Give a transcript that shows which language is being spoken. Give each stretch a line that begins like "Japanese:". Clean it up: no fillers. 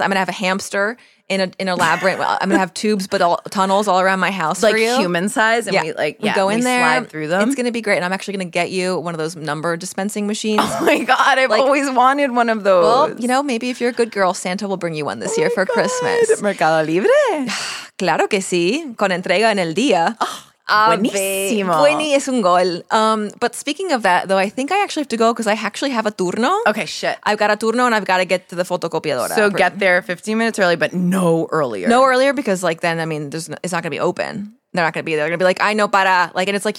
English: I'm going to have a hamster in a labyrinth. Well, I'm going to have tubes, but tunnels all around my house like for you. Like human size. And yeah. We go in there. Slide through them. It's going to be great. And I'm actually going to get you one of those number dispensing machines. Oh my God. I've like, always wanted one of those. Well, you know, maybe if you're a good girl, Santa will bring you one this year for Christmas.
Spanish: Mercado Libre. Claro que sí, con entrega en el día. Oh, buenísimo. Bueno, es un gol.
English: But speaking of that, though, I think I actually have to go because I actually have a turno. Okay, shit. I've got a turno and I've got to get to the fotocopiadora. So get there 15 minutes early, but no earlier. No earlier because, like, then, I mean, it's not going to be open. They're not going to be there. They're going to be like,
Spanish: ay, no para.
English: Like, and it's like,